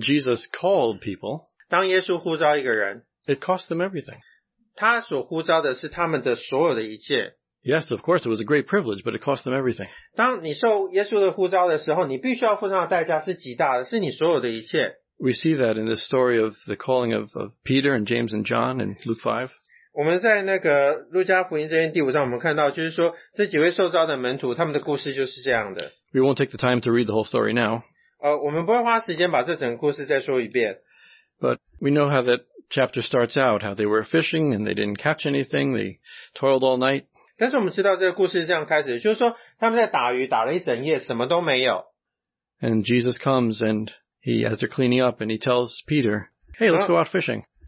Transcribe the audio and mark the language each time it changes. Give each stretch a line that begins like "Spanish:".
English: Jesus called people,
Chinese: 当耶稣呼召一个人,
English: it cost them everything.
Chinese: 他所呼召的是他们的所有的一切。
English: Yes, of course, it was a great privilege, but it cost them everything.
Chinese: 当你受耶稣的呼召的时候，你必须要付上代价，是极大的，是你所有的一切。
English: We see that in the story of the calling of Peter and James and John in Luke 5.
Chinese: 我们在那个路加福音这边第五章，我们看到就是说这几位受召的门徒，他们的故事就是这样的。
English: We won't take the time to read the whole story now.
Chinese: 我们不会花时间把这整个故事再说一遍。
English: But we know how that chapter starts out, how they were fishing and they didn't catch anything, they toiled all night.
Chinese: 但是我们知道这个故事是这样开始的，就是说他们在打鱼，打了一整夜，什么都没有。
English: And Jesus comes and He, as they're cleaning up, and He tells Peter, hey, let's go out fishing.